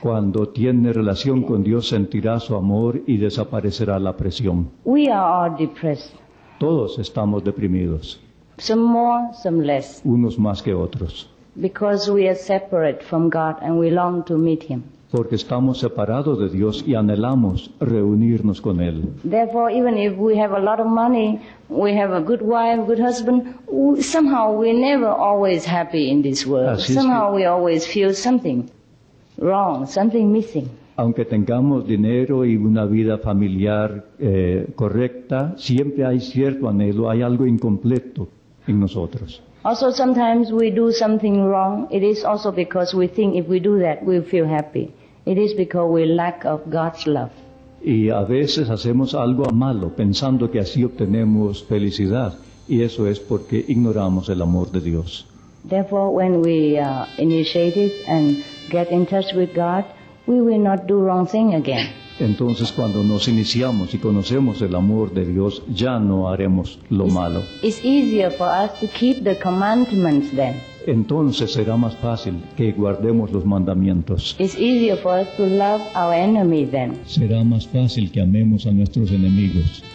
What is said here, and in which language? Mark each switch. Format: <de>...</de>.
<es>Cuando tiene relación con Dios, sentirá su amor y desaparecerá la presión.</es> <en>We are all depressed.</en> <es>Todos estamos deprimidos.</es> <en>Some more, some less.</en> <es>Unos más que otros.</es> <en>Because we are separate from God and we long to meet Him.</en> <es>Porque estamos separados de Dios y anhelamos reunirnos con Él.</es> <en>Therefore, even if we have a lot of money, we have a good wife, good husband, somehow we're never always happy in this world. Somehow we always feel something wrong, something missing.</en> <es>Aunque tengamos dinero y una vida familiar correcta, siempre hay cierto anhelo, hay algo incompleto en nosotros.</es> <en>Also, sometimes we do something wrong. It is also because we think if we do that, we'll feel happy. It is because we lack of God's love.</en> <es>Y a veces hacemos algo malo, pensando que así obtenemos felicidad. Y eso es porque ignoramos el amor de Dios.</es> <en>Therefore, when we are initiated and get in touch with God, we will not do wrong thing again.</en> <es>Entonces, cuando nos iniciamos y conocemos el amor de Dios, ya no haremos lo malo.</es> <en>It's easier for us to keep the commandments then.</en> <es>Entonces será más fácil que guardemos los mandamientos.</es> <en>It's easier for us to love our enemy then.</en> <es>Será más fácil que amemos a nuestros enemigos.</es>